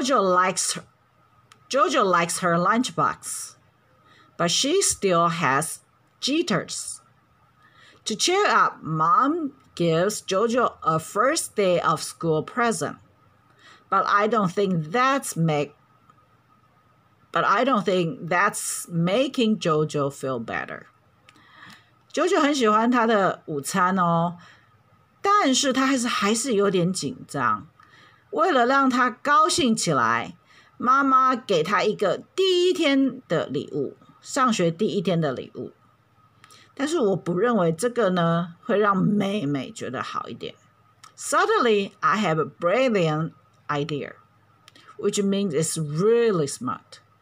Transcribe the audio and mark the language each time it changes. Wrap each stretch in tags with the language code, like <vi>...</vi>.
<en>Jojo likes her lunchbox, but she still has jitters. To cheer up, Mom gives Jojo a first day of school present. But I don't think that's making Jojo feel better.</en> <zh>Jojo 很喜欢他的午餐哦，但是他还是有点紧张。为了让他高兴起来，妈妈给他一个第一天的礼物，上学第一天的礼物。但是我不认为这个呢，会让妹妹觉得好一点。</zh> <en>Suddenly, I have a brilliant idea, which means it's really smart.</en>